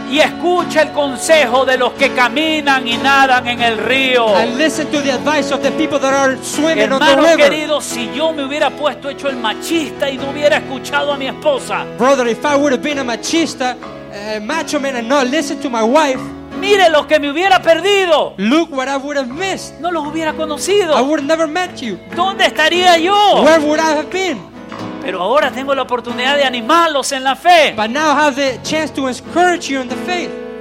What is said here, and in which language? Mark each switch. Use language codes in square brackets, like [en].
[es] Y escucha el consejo de los que caminan y nadan en el río. [en] And listen to the advice of the people that are swimming [es] Hermano [en] on the [es] querido, [en] river. [es] Querido, si yo me hubiera puesto hecho el machista y no hubiera escuchado a mi esposa. [en] Brother, if I would have been a machista, a macho man, and not listened to my wife. [es] Mire lo que me hubiera perdido. [en] Look what I would have missed. [es] No los hubiera conocido. [en] I would have never met you. [es] ¿Dónde estaría yo? [en] Where would I have been? [es] Pero ahora tengo la oportunidad de animarlos en la fe. [en] But now I have the chance to encourage you in the faith.